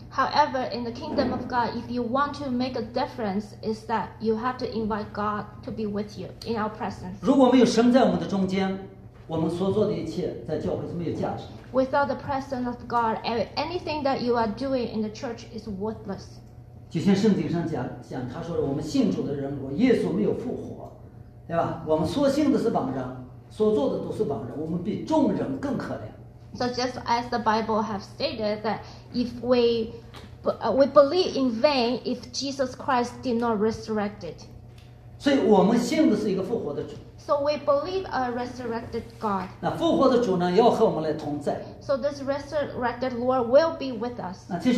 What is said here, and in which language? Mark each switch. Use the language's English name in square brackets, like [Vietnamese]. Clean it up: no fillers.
[English] However, in the kingdom of God, if you want to make a difference, is that you have to invite God to be with you in our presence. [Chinese] 如果没有神在我们的中间，我们所做的一切在教会是没有价值。 [English] Without the presence of God, anything that you are doing in the church is worthless. [Chinese] 就像圣经上讲，他说我们信主的人，如果耶稣没有复活，对吧？我们所信的是绑着，所做的都是绑着，我们比众人更可怜。 [English] So just as the Bible have stated that if we believe in vain if Jesus Christ did not resurrected. So we believe a resurrected God. [Chinese] 那复活的主呢，要和我们来同在。 [English] So this resurrected Lord will be with us.